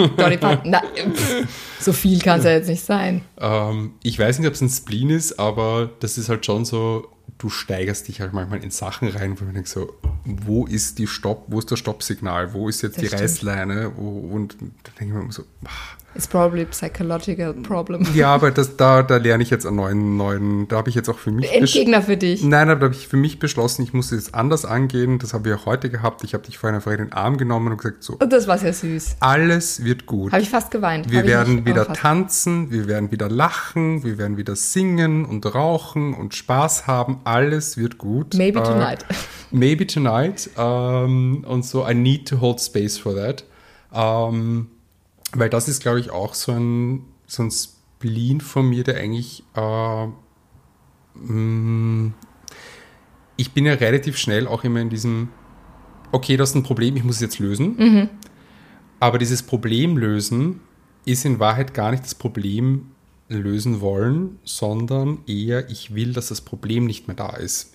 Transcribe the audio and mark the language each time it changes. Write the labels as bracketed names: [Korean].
[German] Dolly Parton. So viel kann es ja jetzt nicht sein. Ich weiß nicht, ob es ein Spleen ist, aber das ist halt schon so, du steigerst dich halt manchmal in Sachen rein, wo man denkt so, wo ist die Stopp, wo ist das Stoppsignal, wo ist jetzt das die stimmt. Reißleine? Und da denke ich mir immer so, [English] It's probably a psychological problem. [German] Ja, aber da lerne ich jetzt einen neuen, da habe ich jetzt auch für mich... Endgegner für dich. Nein, aber da habe ich für mich beschlossen, ich muss es jetzt anders angehen. Das haben wir auch heute gehabt. Ich habe dich vorhin einfach in den Arm genommen und gesagt so... Und das war sehr süß. Alles wird gut. Habe ich fast geweint. Wir werden wieder tanzen, wir werden wieder lachen, wir werden wieder singen und rauchen und Spaß haben. Alles wird gut. [English] Maybe tonight. Maybe tonight. [German] Und so, [English] I need to hold space for that. [German] Weil das ist, glaube ich, auch so ein Spleen von mir, der eigentlich, ich bin ja relativ schnell auch immer in diesem, okay, das ist ein Problem, ich muss es jetzt lösen. Mhm. Aber dieses Problem lösen ist in Wahrheit gar nicht das Problem lösen wollen, sondern eher, ich will, dass das Problem nicht mehr da ist.